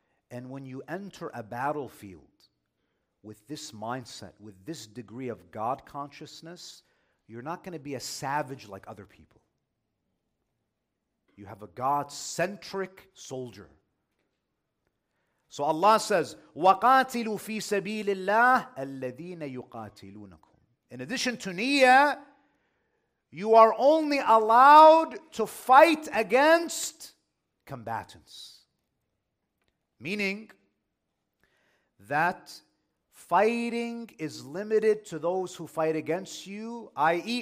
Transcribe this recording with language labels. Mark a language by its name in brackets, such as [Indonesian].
[English] And when you enter a battlefield, with this mindset, with this degree of God consciousness, you're not going to be a savage like other people. You have a God-centric soldier. So Allah says, [Arabic] وَقَاتِلُوا فِي سَبِيلِ اللَّهِ الَّذِينَ يُقَاتِلُونَكُمْ. [English] In addition to niyyah, you are only allowed to fight against combatants. Meaning that fighting is limited to those who fight against you, i.e.